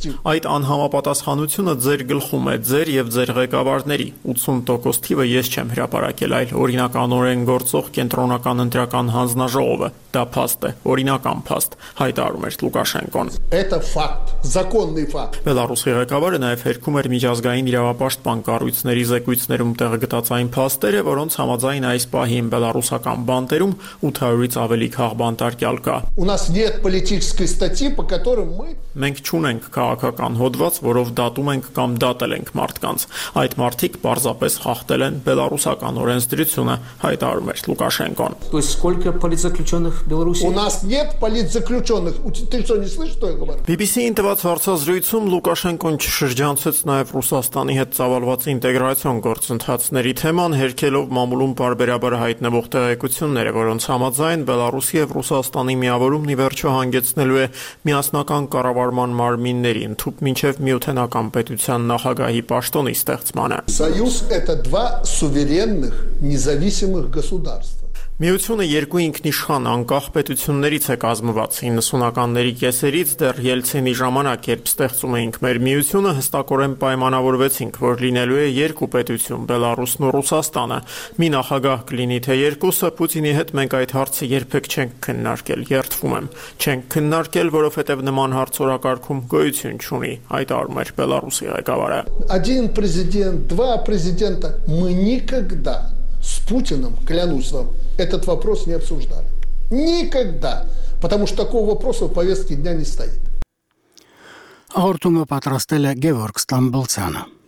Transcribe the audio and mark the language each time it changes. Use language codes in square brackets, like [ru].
[hy] Այդ անհամապատասխանությունը ձեր գլխում է, ձեր եւ ձեր ղեկավարների 80% թիվը ես չեմ հրապարակել, այլ օրինականորեն գործող կենտրոնական ընտրական հանձնաժողովը, դա փաստ է, օրինական փաստ, հայտարարում էր Լուկաշենկոն։ [ru] Это факт, законный факт. [hy] Բելարուսի ղեկավարը նաեւ հերքում էր միջազգային իրավապաշտպան կառույցների զեկույցներում տեղ գտած այն փաստերը, որոնց համաձայն այս պահին բելարուսական բանտերում 800-ից ավելի քաղ բանտարկյալ կա։ [ru] У нас нет политической статьи, по которой мы [hy] Մենք չունենք քաղաքական հոդված, որով դատում ենք կամ դատել ենք մարդկանց։ Այդ մարդիկ պարզապես խախտել են բելարուսական օրենսդրությունը, հայտարարում է Լուկաշենկոն։ BBC-ին տված հարցազրույցում Լուկաշենկոն չշրջանցեց նաև Ռուսաստանի հետ ծավալված ինտեգրացիոն գործընթացների թեման, հերքելով մամուլում բարբերաբար հայտնվող տեղեկությունները, որոնց համաձայն Բելարուսի և Ռուսաստանի միավորումն ի վերջո հանգեցնելու է միասնական կառավարման մարմինների ընդհուպ մինչև Միութենական պետության նախագահի պաշտոնի ստեղծմանը։ [ru] Союз это два суверенных независимых государства. [hy] Միությունը երկու ինքնիշան անկախ պետություններից է կազմված 90-ականների կեսերից, դեռ Ելցինի ժամանակ, երբ ստեղծում էինք մեր միությունը, հստակորեն պայմանավորվեցինք, որ լինելու է երկու պետություն՝ Բելարուսն ու Ռուսաստանը։ Մի նախագահ կլինի թե երկուսը, Պուտինի հետ մենք այդ հարցը երբեք չենք քննարկել, երդվում եմ։ Չենք քննարկել, որովհետև նման հարց օրակարգում գոյություն չունի, այդ առում էր Բելարուսի ղեկավարը։ [ru] Один президент, два президента, мы никогда с Путиным, клянусь вам, этот вопрос не обсуждали. Никогда. Потому что такого вопроса в повестке дня не стоит. [hy] Հորդումը պատրաստել է Գևորգ Ստամբոլցյանը.